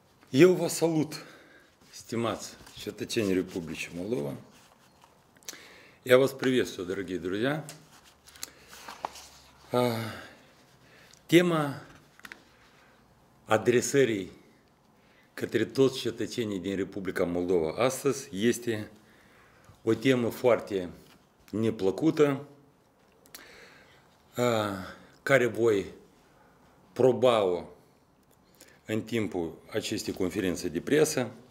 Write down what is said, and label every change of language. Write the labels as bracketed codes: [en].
[ro] Eu vă salut, stimați cetățeni Republicii Moldova. [ru] Я вас приветствую, дорогие друзья. [ro] Тема адресării către toți cetățenii din Republica Moldova astăzi este o temă foarte neplăcută, care voi proba-o în timpul acestei conferințe de presă.